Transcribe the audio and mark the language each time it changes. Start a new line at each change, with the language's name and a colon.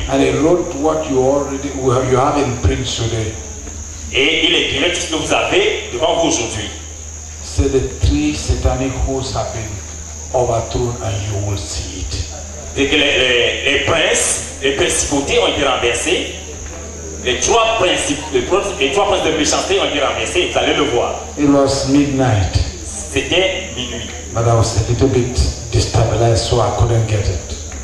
English: And he wrote what you have in print today.
French: Et il écrivait tout ce que vous avez devant vous aujourd'hui. C'est les
English: 3 satanic hosts have been overthrown and you will see it.
French: Et que les princes, les principautés ont été renversés. Les trois princes de méchanceté ont été renversés. Vous allez le voir.
English: It was midnight.
French: C'était minuit.
English: But I was a little bit destabilized, so I couldn't get it.